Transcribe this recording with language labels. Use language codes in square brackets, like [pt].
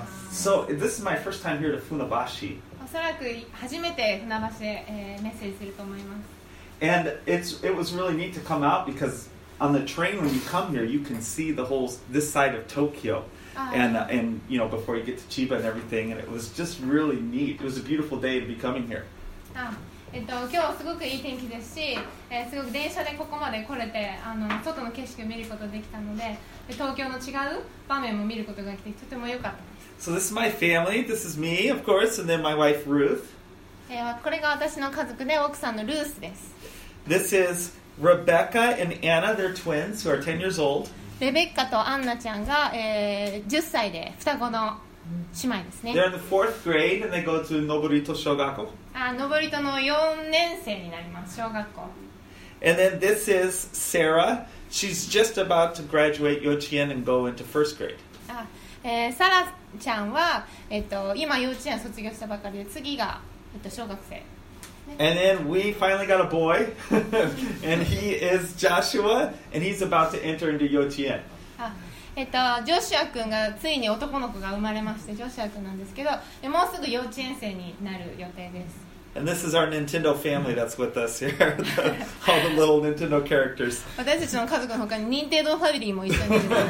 [en] So this is my first time here at Funabashi. [ja] おそらく初めて船橋で、メッセージすると思います。 [en] And it was really neat to come out because on the train when you come here, you can see the whole this side of Tokyo. And you know, before you get to Chiba and everything, and it was just really neat. It was a beautiful day to be coming here. [ja] 今日すごくいい天気ですし、すごく電車でここまで来れて、外の景色を見ることができたので、東京の違う場面も見ることができて、とても良かったです。 [en] So this is my family. This is me, of course, and then my wife, Ruth. [ja] これが私の家族で、奥さんのルースです。 [en] This is Rebecca and Anna, they're twins, who are 10 years old. [ja] レベッカとアンナちゃんが、10歳で双子の姉妹ですね。 [en] They're in the fourth grade, and they go to Noborito 小学校。 [ja] 上りとの4年生になります、小学校。 [en] And then this is Sarah. She's just about to graduate 幼稚園 and go into first grade. [ja] サラちゃんは、今幼稚園卒業したばかりで、次が、小学生。 [en] And then we finally got a boy, and he is Joshua, and he's about to enter into 幼稚園。 [ja] ジョシュア君がついに男の子が生まれまして、ジョシュア君なんですけど、もうすぐ幼稚園生になる予定です。 [en] And this is our Nintendo family that's with us here, all the little Nintendo characters. [ja] 私たちの家族の他に Nintendo ファミリーも一緒にいる。